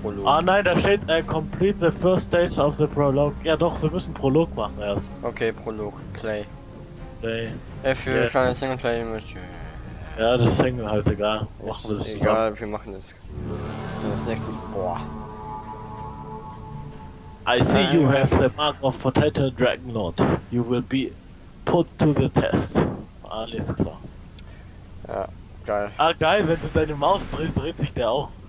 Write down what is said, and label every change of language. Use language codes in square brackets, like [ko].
[de] Ah nein, da steht [en] complete the first stage of the [de] Prolog. Ja doch, wir müssen Prolog machen erst. Okay, Prolog, Clay. Play. Für kleine Singleplay mit. Ja, das ist Single halt egal. Machen wir das egal, wir machen das. Das nächste. Boah. [en] I see you have the mark of potential Dragon Lord. You will be put to the test. [de] Alles klar. Ja, geil. Ah, geil, wenn du deine Maus drehst, dreht sich der auch.